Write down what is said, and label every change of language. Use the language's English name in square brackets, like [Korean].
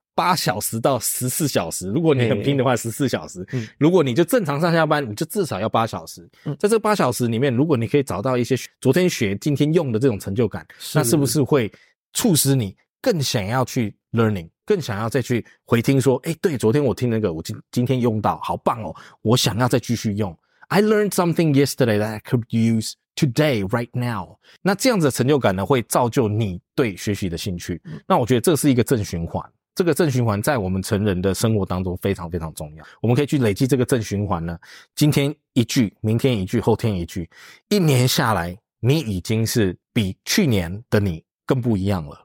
[Chinese] 8小时到14小时，如果你很拼的话14小时、如果你就正常上下班你就至少要8小时、在这8小时里面，如果你可以找到一些昨天学今天用的这种成就感，那是不是会促使你更想要去 learning， 更想要再去回听说，诶，对，昨天我听那个我今天用到好棒哦，我想要再继续用。 [English] I learned something yesterday that I could use today right now。 [Chinese] 那这样子的成就感呢，会造就你对学习的兴趣。那我觉得这是一个正循环，这个正循环在我们成人的生活当中非常非常重要。我们可以去累积这个正循环呢，今天一句，明天一句，后天一句，一年下来你已经是比去年的你更不一样了。